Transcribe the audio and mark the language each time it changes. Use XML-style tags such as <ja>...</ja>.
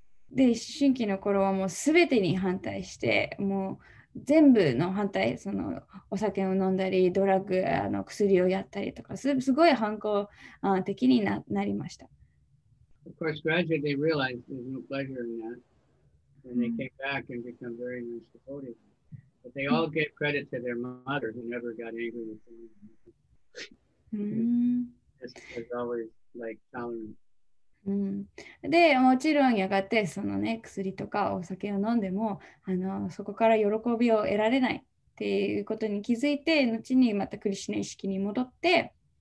<ja>で、新規の頃はもうすべてに反対して、もう全部の反対、そのお酒を飲んだり、ドラッグ、薬をやったりとか、すごい反抗的に なりました。</ja> <en>Of course, gradually they realized there's no pleasure in that, and they came back and become very nice devotees. But they all gave credit to their mother, who never got angry with them. This was always like tolerance.</en> <ja>で、もちろんやがてそのね、薬とかお酒を飲んでも、そこから喜びを得られないっていうことに気づいて、後にまたクリシュナ意識に戻って、</ja>